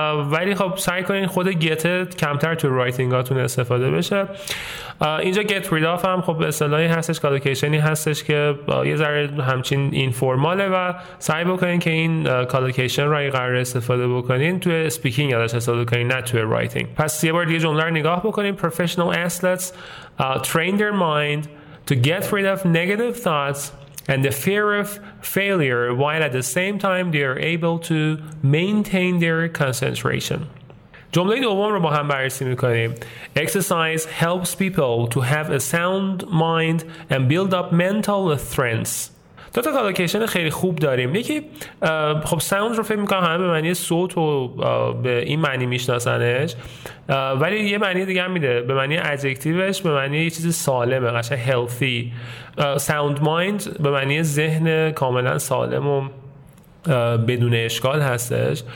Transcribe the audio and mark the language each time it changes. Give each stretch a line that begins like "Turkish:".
Persian: ولی خب سعی کنین خود get کمتر تو رایتینگاتون استفاده بشه. اینجا
English: get rid of
Persian: هم خب اصطلاحی هستش، کالوکیشنی هستش که یه ذره همچین informalه و سعی بکنین که این کالوکیشن رو قرار استفاده بکنین توی speaking یادش استفاده کنین، نه توی writing. پس یه بار دیگه جمله رو نگاه بکنیم.
English: Professional athletes train their mind to get rid of negative thoughts and the fear of failure while at the same time they are able to maintain their concentration.
Persian: جمله دوم رو با هم بررسی میکنیم.
English: Exercise helps people to have a sound mind and build up mental strength.
Persian: دو تا کالوکیشن خیلی خوب داریم. یکی خب sound رو فکر میکنم همه به معنی صوت و به این معنی میشناسنش، ولی یه معنی دیگه هم میده، به معنی adjectiveش، به معنی یه چیز سالمه، قشنگ healthy.
English: Sound mind
Persian: به معنی ذهن کاملا سالم و بدون اشکال هستش.